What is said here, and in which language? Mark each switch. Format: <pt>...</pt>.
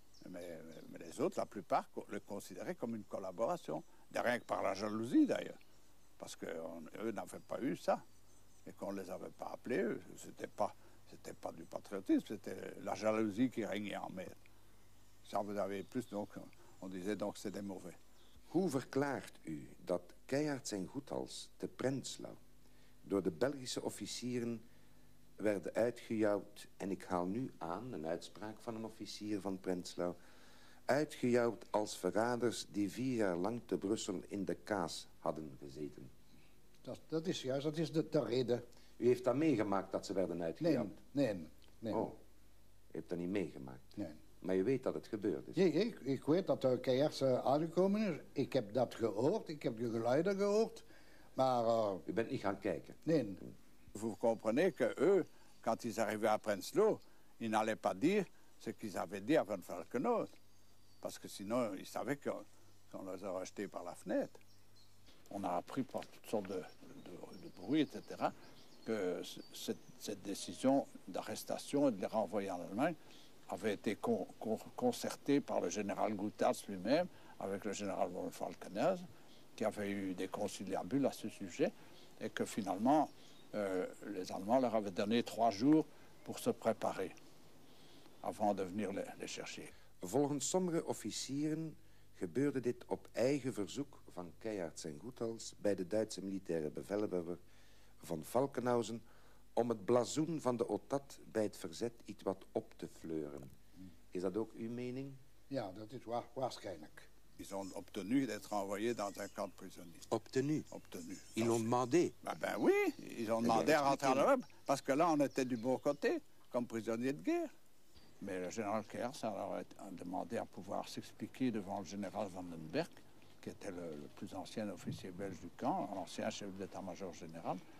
<fr>Mais les autres, la plupart, le considéraient comme une collaboration. De rien que par la jalousie, d'ailleurs. Parce qu'eux n'avaient pas eu ça. et qu'on ne les avait pas appelés, c'était pas du patriotisme, c'était la jalousie qui régnait en mer. Ça, vous avez plus, donc on disait donc c'est des mauvais.</fr> <nl>Hoe verklaart u dat Keijaerts en Goethals te Prenzlau door de Belgische officieren werden uitgejouwd, en ik haal nu aan een uitspraak van een officier van Prenzlau, uitgejouwd als verraders die 4 jaar lang te Brussel in de kaas hadden gezeten? Dat is juist, dat is de reden. U heeft dat meegemaakt, dat ze werden uitgejouwd? Nee. Oh, u hebt dat niet meegemaakt? Nee. Maar je weet dat het gebeurd is? Ja, ik weet dat er Keijaerts aangekomen is. Ik heb dat gehoord, ik heb de geluiden gehoord, maar... U bent niet gaan kijken? Nee.</nl> <fr>Vous comprenez que eux, quand ils arrivaient à Prenzlau, ils n'allaient pas dire ce qu'ils avaient dit à Van Valkenhout. Parce que sinon, ils savaient qu'on les aurait jetés par la fenêtre. On a appris par toutes sortes de bruits, etc., que cette décision d'arrestation et de les renvoyer en Allemagne avait été concertée par le général Goethals lui-même avec le général Van Valkenhout, qui avait eu des conciliabules à ce sujet, et que finalement, les Allemands leur avaient donné 3 jours pour se préparer avant de venir les chercher.</fr> <nl>Volgens sommige officieren gebeurde dit op eigen verzoek van Keijaerts en Goethals bij de Duitse militaire bevelhebber van Valkenhausen om het blazoen van de OTAT bij het verzet iets wat op te fleuren. Is dat ook uw mening? Ja, dat is waarschijnlijk.</nl> <fr>Ils ont obtenu d'être envoyés dans un camp de prisonniers. Obtenu. Ils l'ont demandé. Ben oui, ils ont demandé à rentrer en Europe, parce que là, on était du bon côté, comme prisonniers de guerre. Mais le général Keijaerts a leur demandé à pouvoir s'expliquer devant le général Vandenberg, qui était le plus ancien officier belge du camp, l'ancien chef d'état-major général.</fr>